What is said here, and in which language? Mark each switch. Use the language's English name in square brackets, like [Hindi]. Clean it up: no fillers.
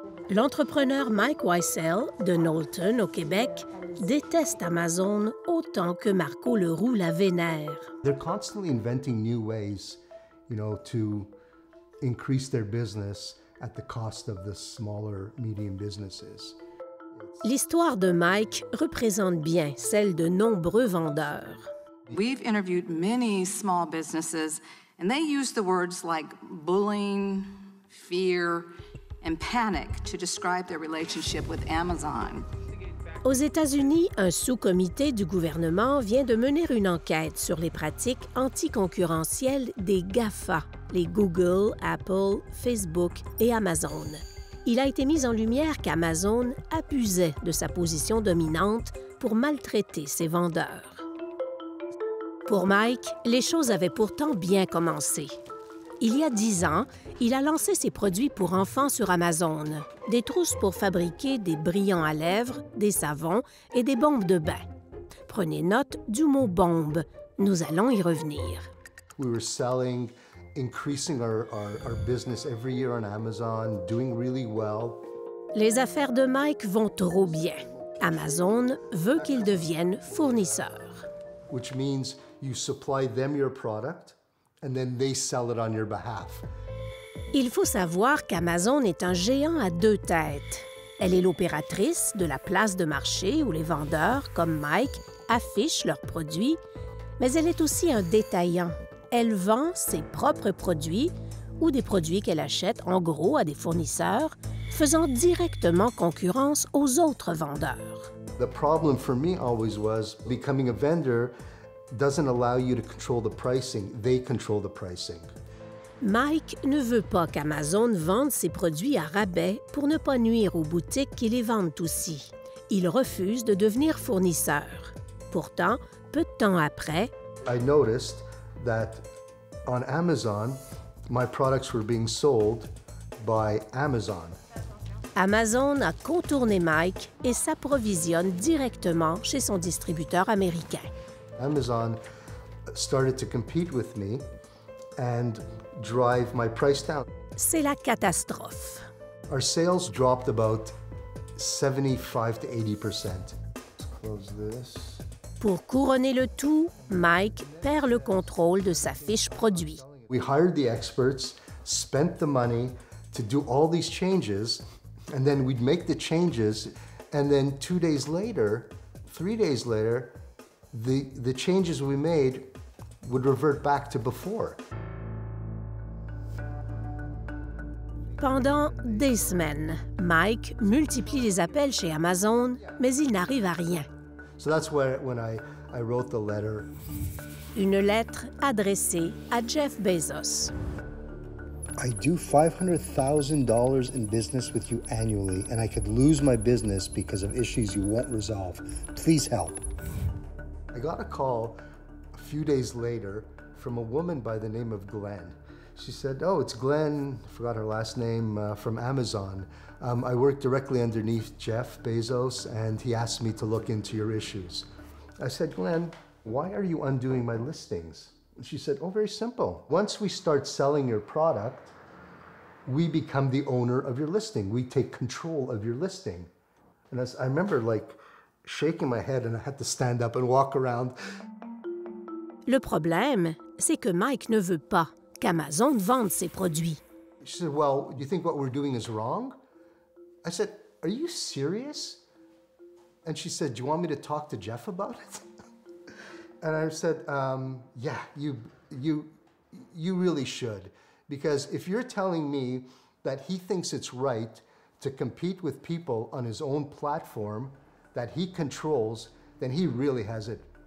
[French] L'entrepreneur Mike Weissel de Knowlton au Québec déteste Amazon autant que Marco le roule la vénère. [English] They're constantly inventing new ways, you know, to increase their business at the cost of the smaller medium businesses. [French] L'histoire de Mike représente bien celle de nombreux vendeurs. [English] We've interviewed many small businesses and they use the words like bullying, fear and panic to describe their relationship with Amazon. [French] Aux États-Unis, un sous-comité du gouvernement vient de mener une enquête sur les pratiques anticoncurrentielles des GAFA, les Google, Apple, Facebook et Amazon. Il a été mis en lumière qu'Amazon abusait de sa position dominante pour maltraiter ses vendeurs. Pour Mike, les choses avaient pourtant bien commencé. Il y a 10 ans, il a lancé ses produits pour enfants sur Amazon, des trousses pour fabriquer des brillants à lèvres, des savons et des bombes de bain. Prenez note du mot « bombe ». Nous allons y revenir. [English] We were selling, increasing our business every year on Amazon, doing really well. [French] Les affaires de Mike vont trop bien. Amazon veut qu'il devienne fournisseur. [English] Which means you supply them your product. And then they sell it on your behalf. [French] Il faut savoir qu'Amazon est un géant à deux têtes. Elle est l'opératrice de la place de marché où les vendeurs, comme Mike, affichent leurs produits, mais elle est aussi un détaillant. Elle vend ses propres produits ou des produits qu'elle achète en gros à des fournisseurs, faisant directement concurrence aux autres vendeurs. [English] The problem for me always was becoming a vendor doesn't allow you to control the pricing. They control the pricing. [French] Mike ne veut pas qu'Amazon vende ses produits à rabais pour ne pas nuire aux boutiques qui les vendent aussi. Il refuse de devenir fournisseur. Pourtant, peu de temps après, [English] I noticed that on Amazon, my products were being sold by Amazon. [French] Amazon a contourné Mike et s'approvisionne directement chez son distributeur américain. [English] Amazon started to compete with me and drive my price down. [French] C'est la catastrophe. [English] Our sales dropped about 75 to 80%. Let's close this. [French] Pour couronner le tout, Mike perd le contrôle de sa fiche produit. [English] We hired the experts, spent the money to do all these changes, and then we'd make the changes, and then 2 days later, 3 days later, The changes we made would revert back to before. [French] Pendant des semaines, Mike multiplie les appels chez Amazon, mais il n'arrive à rien. [English] So that's when I wrote the letter. [French] Une lettre adressée à Jeff Bezos. [English] I do $500,000 in business with you annually, and I could lose my business because of issues you won't resolve. Please help. I got a call a few days later from a woman by the name of Glenn. She said, oh, it's Glenn, I forgot her last name, from Amazon. I work directly underneath Jeff Bezos, and he asked me to look into your issues. I said, Glenn, why are you undoing my listings? And she said, oh, very simple. Once we start selling your product, we become the owner of your listing. We take control of your listing. And as I remember, like, shaking my head and I had to stand up and walk around. [French] Le problème, c'est que Mike ne veut pas qu'Amazon vende ses produits. [English] She said, well, you think what we're doing is wrong? I said, are you serious? And she said, do you want me to talk to Jeff about it? And I said, yeah, you really should. Because if you're telling me that he thinks it's right to compete with people on his own platform, that he controls, then he really has it